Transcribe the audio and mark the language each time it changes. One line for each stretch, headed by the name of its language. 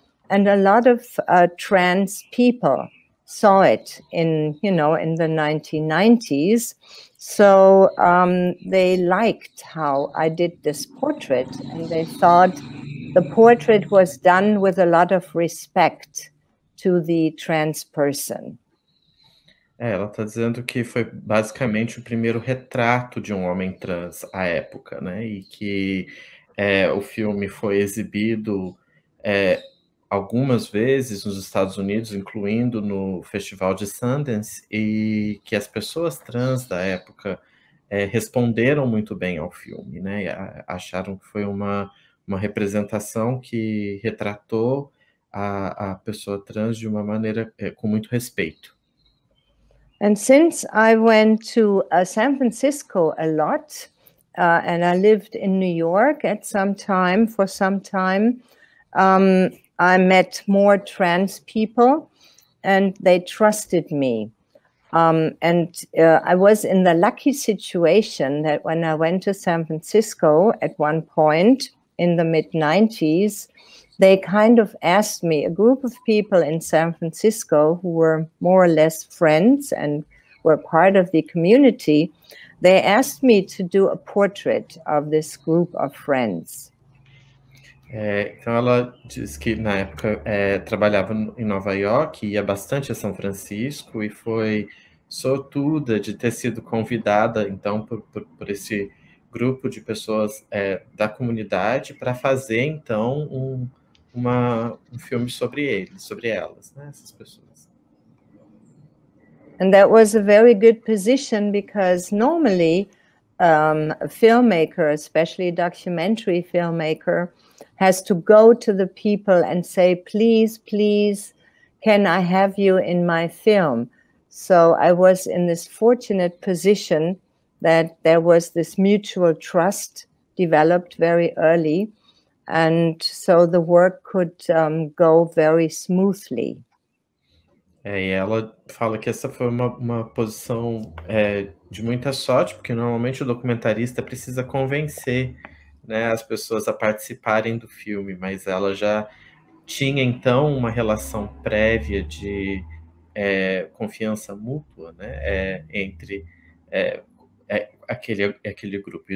English: And a lot of trans people saw it in the 1990s. So they liked how I did this portrait, and they thought the portrait was done with a lot of respect to the trans person.
Portuguese: Ela está dizendo que foi basicamente o primeiro retrato de um homem trans à época, né? E que o filme foi exibido algumas vezes nos Estados Unidos, incluindo no Festival de Sundance, e que as pessoas trans da época responderam muito bem ao filme, né? Acharam que foi uma representação que retratou a pessoa trans de uma maneira com muito respeito.
English: And since I went to San Francisco a lot, and I lived in New York for some time, I met more trans people, and they trusted me. I was in the lucky situation that when I went to San Francisco at one point in the mid-90s, they kind of asked me, a group of people in San Francisco who were more or less friends and were part of the community, they asked me to do a portrait of this group of friends.
Portuguese: Então ela diz que na época trabalhava em Nova York, ia bastante a São Francisco e foi sortuda de ter sido convidada então por esse grupo de pessoas da comunidade para fazer então um filme sobre eles, sobre elas, né, essas pessoas.
English: And that was a very good position because normally a filmmaker, especially a documentary filmmaker, has to go to the people and say, please, please, can I have you in my film? So I was in this fortunate position that there was this mutual trust developed very early. And so the work could go very smoothly.
Portuguese: E ela fala que essa foi uma posição de muita sorte, porque normalmente o documentarista precisa convencer, né, as pessoas a participarem do filme, mas ela já tinha então uma relação prévia de confiança mútua, né, entre aquele grupo.